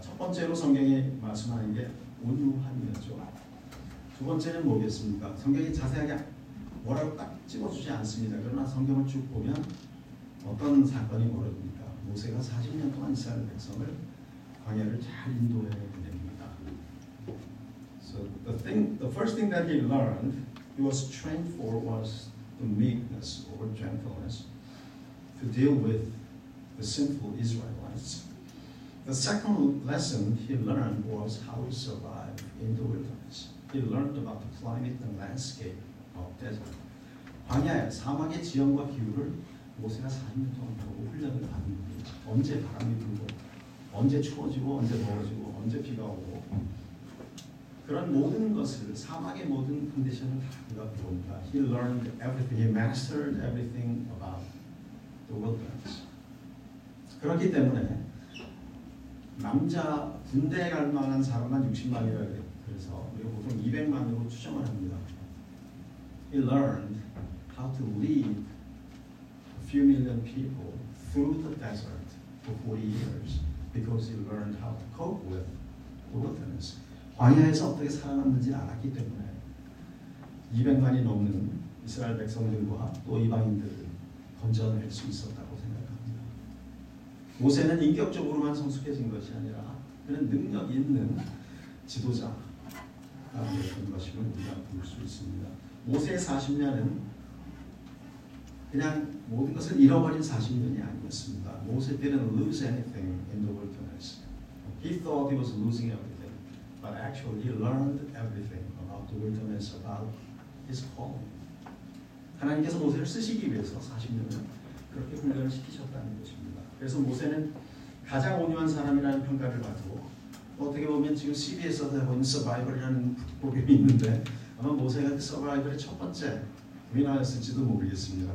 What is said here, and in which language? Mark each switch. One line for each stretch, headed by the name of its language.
Korean: 첫 번째로 성경이 말씀하는 게 온유함이었죠. 두 번째는 뭐겠습니까? 성경이 자세하게 뭐라고 딱 찍어주지 않습니다. 그러나 성경을 쭉 보면 어떤 사건이 벌어집니까? 모세가 40년 동안 이스라엘 백성을 광야를 잘 인도해 보냅니다.
English: So the first thing that he learned, he was trained for was the meekness or gentleness to deal with the sinful Israelites. The second lesson he learned was how to survive in the wilderness. He learned about the climate and landscape of desert.
Korean: 광야의 사막의 지형과 기후를 모세가 40년 동안 배우고 훈련을 받은 겁니다. 언제 바람이 불고, 언제 추워지고, 언제 더워지고, 언제 비가 오고 그런 모든 것을 사막의 모든 컨디션을 다 그가 배웁니다.
English: He learned everything. He mastered everything about the wilderness.
Korean: 그렇기 때문에 남자 군대에 갈 만한 사람만 60만이라고 그래서 우리가 보통 200만으로 추정을 합니다.
English: He learned how to lead a few million people through the desert for 40 years because he learned how to cope with wilderness.
Korean: 광야에서 어떻게 살아남는지 알았기 때문에 200만이 넘는 이스라엘 백성들과 또 이방인들을 건져낼 수 있었다고 생각합니다. 모세는 인격적으로만 성숙해진 것이 아니라 그는 능력 있는 지도자 우리가 볼 수 있습니다. 모세의 40년은 그냥 모든 것을 잃어버린 40년이 아니었습니다.
English: 모세 didn't lose anything in the wilderness. He thought he was losing everything, but actually he learned everything about the wilderness, about his calling.
Korean: 하나님께서 모세를 쓰시기 위해서 40년을 그렇게 훈련을 시키셨다는 것입니다. 그래서 모세는 가장 온유한 사람이라는 평가를 받고 어떻게 보면 지금 CBS에서 하고 있는 서바이벌이라는 프로그램이 있는데 아마 모세가 그 서바이벌의 첫 번째 위너였을지도 모르겠습니다.